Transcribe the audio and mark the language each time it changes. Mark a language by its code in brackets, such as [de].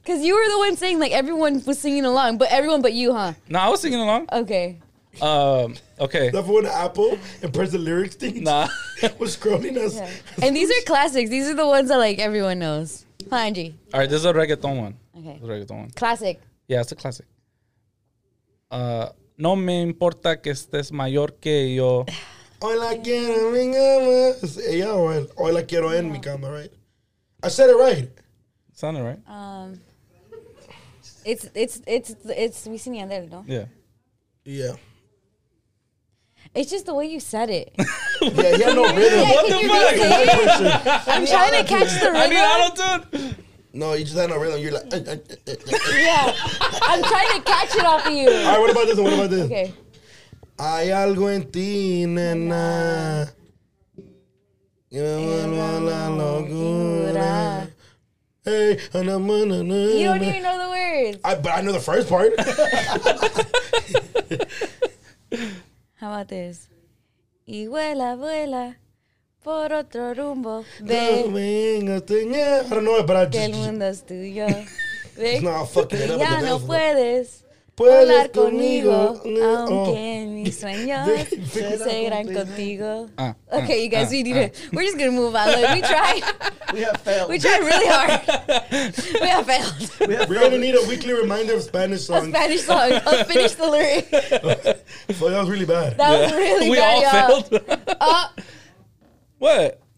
[en] Because you were the one saying like everyone was singing along, but everyone but you, huh? No, I was singing along. Okay. Okay. Level one Apple and press the lyrics thing. Nah. Was scrolling us. Yeah. And these are classics. These are the ones that like everyone knows. Fine, G. All right, this is a reggaeton one. Okay. A reggaeton one. Classic. Yeah, it's a classic. [es] No me importa que estés mayor que yo. Hoy la quiero en mi cama. Ella o el. Hoy la quiero en mi cama, right? [en] I said it right. Sounded right. It's Wisin y Yandel, no? Yeah. It's just the way you said it. Yeah, yeah, no rhythm. What the fuck? I'm trying to catch the rhythm. I need auto-tune. No, you just had no rhythm. You're like. Yeah, I'm trying to catch it off of you. All right, what about this one? What about this? Okay. [es] Hay algo en ti, nena. [en] You know what I'm all about. Hey, and I'm on a. You don't even know the words. But I know the first part. How about this? [es] Y vuela, vuela, por otro rumbo. Ve. [en] I don't know it, but I just. [es] Que el mundo es tuyo. [en] It's not fucking it up. [es] Ya no puedes. Puedes hablar conmigo. Aunque mis sueños se irán contigo. [en] Okay, you guys, we need it. We're just going to move on. Like, we tried. We have failed. We tried really hard. We have failed. We're going to need a weekly reminder of Spanish songs. A Spanish song. I'll finish the lyric. So that was really bad. That was really we bad, all y'all. Failed. What?